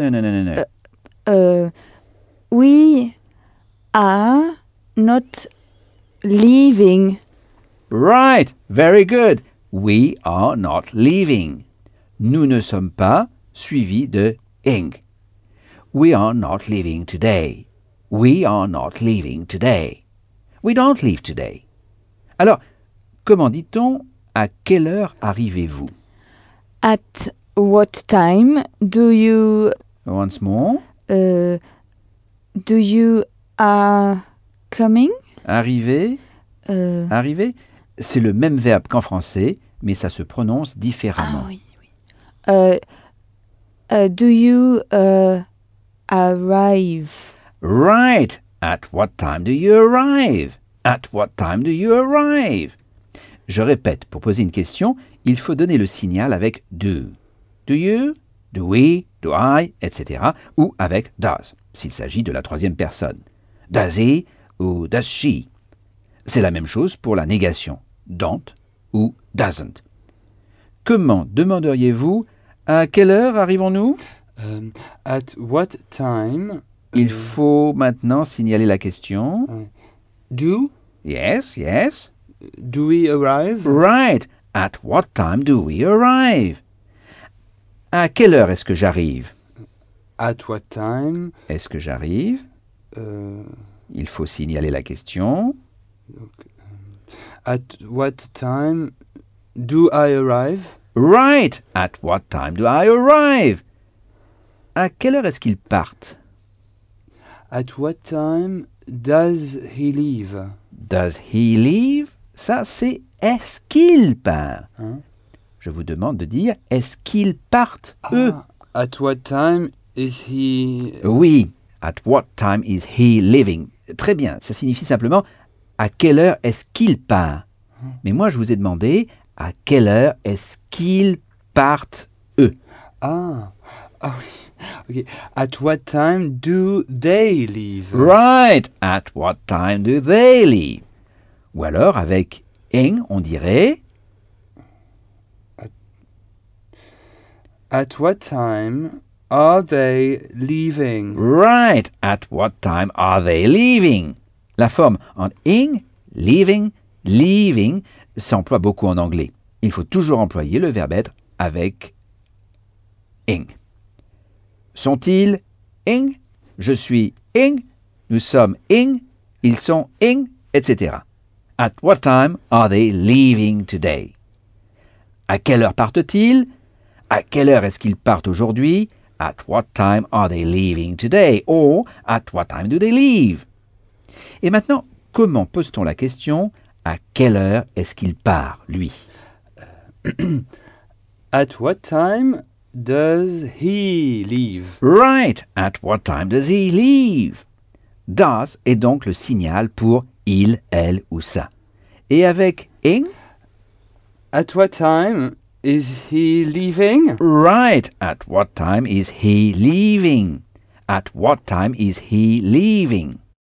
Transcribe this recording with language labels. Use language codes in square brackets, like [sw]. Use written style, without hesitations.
[en] No. We are not leaving. Right, very good. We are not leaving. [fr] Nous ne sommes pas suivis de « ing ». [en] We are not leaving today. We are not leaving today. We don't leave today. [fr] Alors, comment dit-on « à quelle heure arrivez-vous » [en] At what time do you... Once more. Do you are coming? [fr] Arriver. Arriver. C'est le même verbe qu'en français, mais ça se prononce différemment. Ah oui, oui. [en] Do you arrive? Right. At what time do you arrive? At what time do you arrive? [fr] Je répète, pour poser une question, il faut donner le signal avec do. [en] Do you? Do we? Do I? Etc. [fr] Ou avec does, s'il s'agit de la troisième personne. [en] Does he? [fr] Ou [en] does she? [fr] C'est la même chose pour la négation. Don't ou doesn't. Comment demanderiez-vous à quelle heure arrivons-nous? [en] At what time? [fr] Il faut maintenant signaler la question. [en] Do? Yes, yes. Do we arrive? Right. At what time do we arrive? [fr] À quelle heure est-ce que j'arrive? [en] At what time? [fr] Est-ce que j'arrive? Il faut signaler la question. [en] At what time do I arrive? Right. At what time do I arrive? [fr] À quelle heure est-ce qu'ils partent? [en] At what time does he leave? Does he leave? [fr] Ça, c'est est-ce qu'il part. Hein? Je vous demande de dire est-ce qu'ils partent, ah, eux? [en] At what time is he... [fr] Oui. [en] At what time is he leaving? [fr] Très bien. Ça signifie simplement à quelle heure est-ce qu'il part. Hein? Mais moi, je vous ai demandé à quelle heure est-ce qu'ils partent, eux? Ah. Ah oui. Okay. [en] At what time do they leave? Right. At what time do they leave? [fr] Ou alors, avec « ing », on dirait... [en] At what time are they leaving? Right. At what time are they leaving? [fr] La forme en « ing », « leaving », « leaving » s'emploie beaucoup en anglais. Il faut toujours employer le verbe être avec « ing ». Sont-ils « ing » ? Je suis « ing ». Nous sommes « ing ». Ils sont « ing », etc. [en] At what time are they leaving today? [fr] À quelle heure partent-ils? À quelle heure est-ce qu'ils partent aujourd'hui? [en] At what time are they leaving today? Or, at what time do they leave? [fr] Et maintenant, comment pose-t-on la question? À quelle heure est-ce qu'il part, lui? [en] At what time does he leave? Right! At what time does he leave? [fr] Does est donc le signal pour il, elle ou ça. Et avec ing? [en] At what time is he leaving? Right. At what time is he leaving? At what time is he leaving?